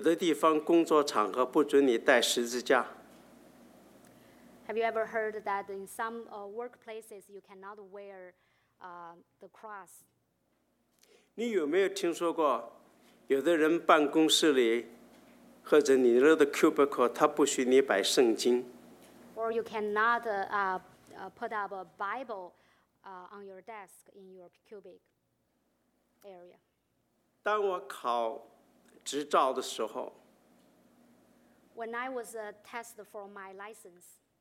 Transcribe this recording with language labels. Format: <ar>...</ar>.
<zh>你们有没有人听说过，有的地方工作场合不准你带十字架？</zh> <en>Have you ever heard that in some workplaces you cannot wear the cross?</en> <zh>你有没有听说过，有的人办公室里或者你的 cubicle 他不许你摆圣经？</zh> <en>Or you cannot put up a Bible on your desk in your cubic area.</en> <zh>当我考执照的时候，</zh> <en>when I was tested for my license.</en>